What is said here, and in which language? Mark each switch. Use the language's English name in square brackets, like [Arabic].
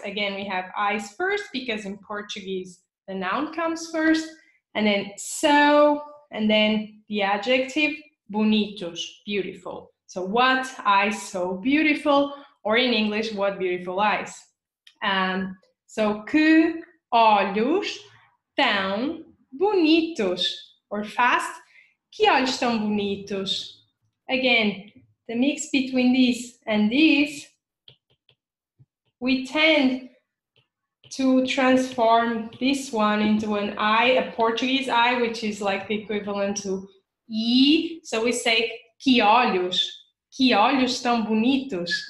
[English] Again, we have eyes first because in Portuguese, the noun comes first, and then so, and then the adjective, bonitos, beautiful. So what eyes so beautiful, or in English, what beautiful eyes. [Portuguese] So, que olhos tão bonitos, [English] or fast, [Portuguese] que olhos tão bonitos. [English] Again, the mix between this and this, we tend to transform this one into an I, a Portuguese I, which is like the equivalent to E. So we say, [Portuguese] que olhos tão bonitos.